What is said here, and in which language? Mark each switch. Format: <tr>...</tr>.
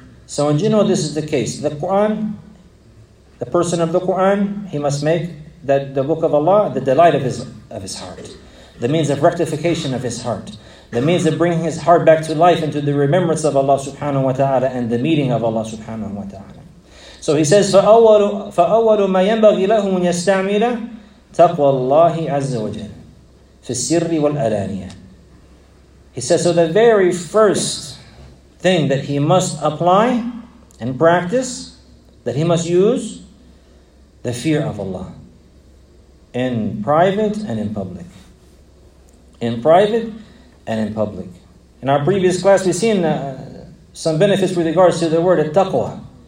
<en>So in general, this is the case. The Quran, the person of the Quran, he must make that the book of Allah the delight of his heart, the means of rectification of his heart, the means of bringing his heart back to life into the remembrance of Allah subhanahu wa ta'ala and the meeting of Allah subhanahu wa ta'ala. So he says,</en> <ar>فَأَوَّلُ مَا يَنْبَغِي لَهُ مُنْ يَسْتَعْمِلَ تَقْوَى اللَّهِ عَزَّ وَجَلَ فِي السِّرِّ وَالْأَلَانِيَةِ.</ar> <en>He says, so the very first thing that he must apply and practice, that he must use, the fear of Allah in private and in public. In private and in public. In our previous class, we've seen some benefits with regards to the word at-taqwa.</en>